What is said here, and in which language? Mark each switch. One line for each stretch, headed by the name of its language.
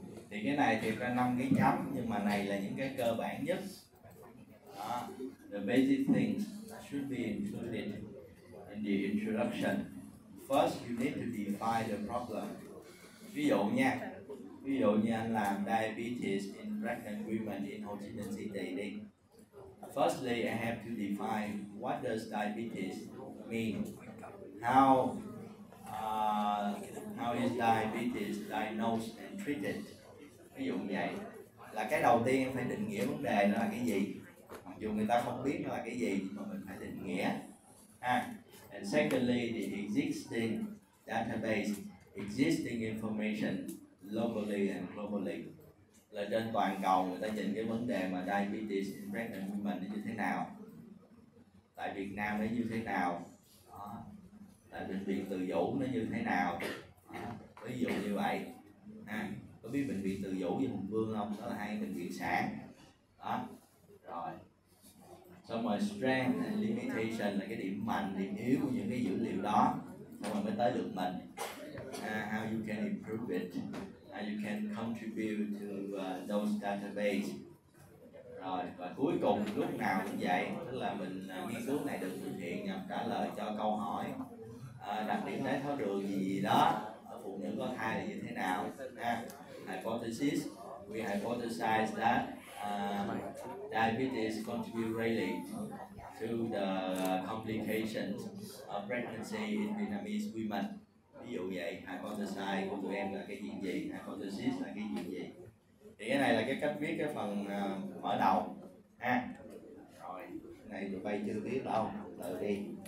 Vietnamese: Thì cái này thì ra 5 cái chấm, nhưng mà này là những cái cơ bản nhất. Đó.
English: The basic things that should be included in the introduction. First, you need to define the problem.
Vietnamese: Ví dụ như anh làm
English: diabetes in pregnant women
Vietnamese: in Ho Chi Minh City đi.
English: Firstly, I have to define what does diabetes mean. How is diabetes diagnosed and treated?
Vietnamese: Ví dụ như vậy. Là cái đầu tiên em phải định nghĩa vấn đề nó là cái gì. Mặc dù người ta không biết nó là cái gì, mà mình phải định nghĩa.
English: And secondly, the existing database, existing information locally and globally.
Vietnamese: Là trên toàn cầu người ta nhìn cái vấn đề mà
English: diabetes in pregnant women
Vietnamese: như thế nào, tại Việt Nam nó như thế nào, đó. Tại bệnh viện Từ Dũ nó như thế nào, đó. Ví dụ như vậy. Có biết bệnh viện Từ Dũ với Hùng Vương không? Đó là hai bệnh viện sản. Đó. Rồi. Xong rồi
English: strength and limitation
Vietnamese: là cái điểm mạnh, điểm yếu của những cái dữ liệu đó. Xong rồi mới tới được mình.
English: How you can improve it. How you can contribute to those database. Rồi.
Vietnamese: Và cuối cùng lúc nào cũng vậy. Tức là mình nghiên cứu này được thực hiện nhằm trả lời cho câu hỏi. Đặc điểm đáy tháo đường gì gì đó. Ở phụ nữ có thai là như thế nào.
English: Hypothesis. We hypothesize that diabetes contribute greatly to the complications of pregnancy in Vietnamese women.
Vietnamese: Ví dụ vậy, hypothesis của tụi em là cái chuyện gì, hypothesis là cái chuyện gì. Thì cái này là cái cách viết cái phần mở đầu ha. Rồi, này tụi bay chưa biết đâu, từ đi.